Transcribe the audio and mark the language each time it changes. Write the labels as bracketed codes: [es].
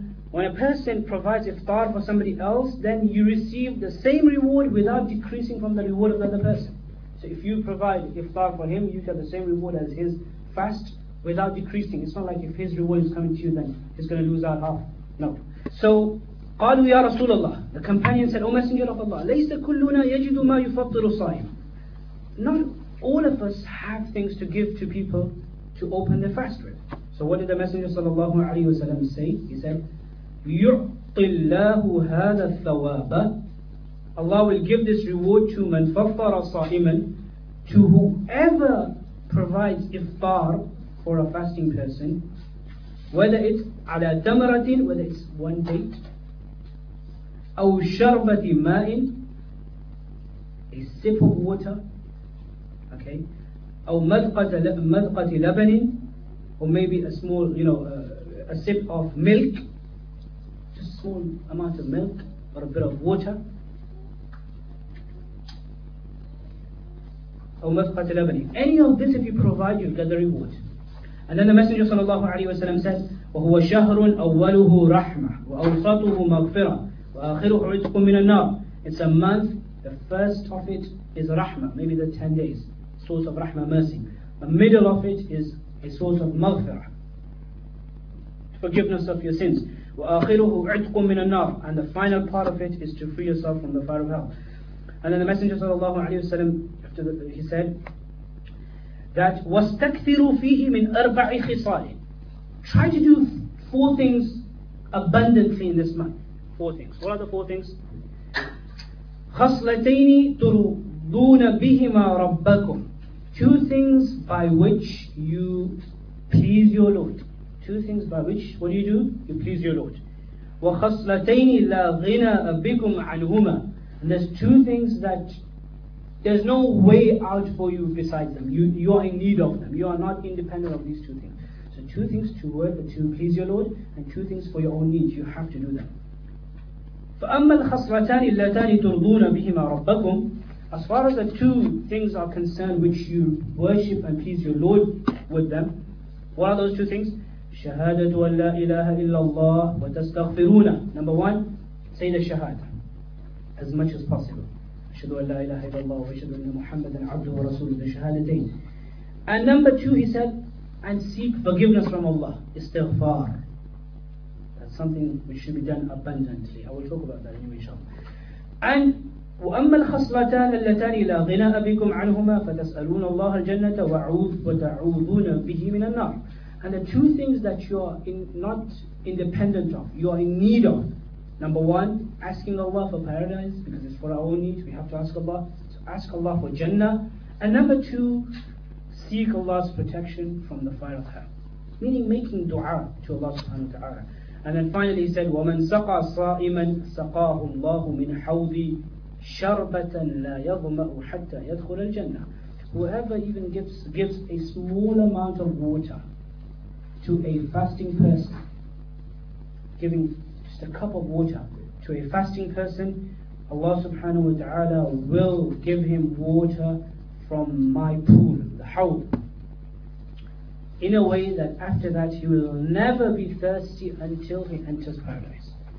[en] When a person provides iftar for somebody else, then you receive the same reward without decreasing from the reward of the other person. So if you provide iftar for him, you get the same reward as his fast, without decreasing. It's not like if his reward is coming to you, then he's going to lose out half. No. [ar] So, قَالُوا يَا رَسُولَ اللَّهِ. [en] The companion said, O Messenger of Allah, [ar] لَيْسَ كُلُّنَا يَجِدُ مَا يُفَطِّرُ صَائِمٌ. [en] Not all of us have things to give to people to open their fast with. So what did the Messenger sallallahu alayhi wa sallam say? He said, [ar] يُعْطِ اللَّهُ هَذَا الثَّوَابَ. [en] Allah will give this reward to [ar] مَنْ فَطَّرَ صَائِمًا, [en] to whoever provides iftar for a fasting person, whether it's [ar] ala tamratin, [en] whether it's one date, [ar] aw sharbati ma'in, [en] sip of water, okay, [ar] أو مذقة لبن, [en] or maybe a small, you know, a sip of milk, just a small amount of milk or a bit of water. [ar] أو مذقة لبن. [en] Any of this, if you provide, you get the reward. And then the Messenger [ar] صلى الله عليه وسلم [en] says, [ar] وهو شهر أوله رحمة وأوسطه مغفرة وآخره عتق من النار. [en] It's a month. The first of it is rahma, maybe the 10 days, source of rahma, mercy. The middle of it is a source of maghfirah, forgiveness of your sins. [ar] وَآخِرُهُ عِتْقٌ مِنَ النَّارِ. [en] And the final part of it is to free yourself from the fire of hell. And then the Messenger sallallahu alayhi wa sallam, he said that [ar] وَاسْتَكْثِرُ فِيهِ مِنْ أَرْبَعِ خِصَالٍ. [en] Try to do four things abundantly in this month. Four things. What are the four things? [ar] خصلتين ترضون بهما ربكم. [en] Two things by which you please your Lord. Two things by which, what do? You please your Lord. [ar] وخصلتين لا غنى بكم عنهما. [en] And there's two things that there's no way out for you besides them. You are in need of them. You are not independent of these two things. So two things to work to please your Lord, and two things for your own needs. You have to do them. [ar] فأما الخصلتان اللتان ترضون بهما ربكم. [en] As far as the two things are concerned which you worship and please your Lord with them, what are those two things? [ar] شهادة أن لا إله إلا الله وتستغفرون. [en] Number one, say the shahada as much as possible. [ar] أشهد أن لا إله إلا الله وأشهد أن محمدا عبده ورسوله. [en] The shahadatain. And number two, he said, and seek forgiveness from Allah. Istighfar. Something which should be done abundantly. I will talk about that anyway, inshallah. And [ar] وأما الخصلتان اللتان لا غنى بكم عنهما فتسألون الله الجنة وتعوذون به من النار. [en] And the two things that you are not independent of, you are in need of. Number one, asking Allah for paradise, because it's for our own needs, we have to ask Allah. So ask Allah for Jannah. And number two, seek Allah's protection from the fire of hell. Meaning making dua to Allah subhanahu wa ta'ala. And then finally he said, [ar] وَمَنْ سَقَى صَائِمًا سَقَاهُ اللَّهُ مِنْ حَوْضِ شَرْبَةً لَا يَضْمَأُ حَتَّى يَدْخُلَ الْجَنَّةِ. [en] Whoever even gives a small amount of water to a fasting person, giving just a cup of water to a fasting person, Allah subhanahu wa ta'ala will give him water from my pool, the حَوْض, in a way that after that he will never be thirsty until he enters paradise.